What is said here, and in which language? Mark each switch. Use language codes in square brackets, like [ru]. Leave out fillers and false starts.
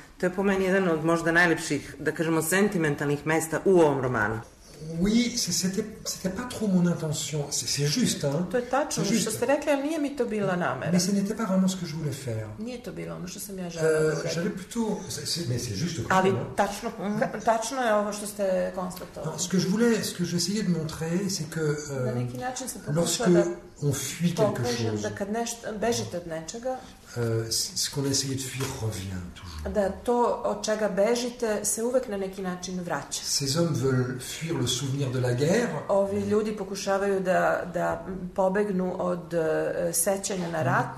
[sr] To je po meni jedan od možda najlepših, da kažemo, sentimentalnih mesta u ovom romanu. [fr] Oui, c'était pas trop mon intention. C'est juste, hein. [sr] To je tačno, što ste rekli, ali nije mi to bila namera. [fr] Mais ce n'était pas vraiment ce que je voulais faire. [sr] Nije to bilo ono što sam ja [fr] želio. J'avais plutôt... Mais c'est juste... [sr] Ali tačno, tačno je ovo što ste konstatovali. [fr] Ce que je voulais, ce que j'essayais de montrer, c'est que... [sr] Na neki način se pokušava [fr] lorsque on fuit quelque chose... [sr] Da kad nešto, bežite od nečega... [fr] Ce qu'on essayait de fuir revient toujours. [sr] Da to od čega bežite se uvek na neki način vraća. [fr] Ces hommes veulent fuir le souvenir de la guerre. [sr] Ovi ljudi pokušavaju da pobegnu od sećanja na rat.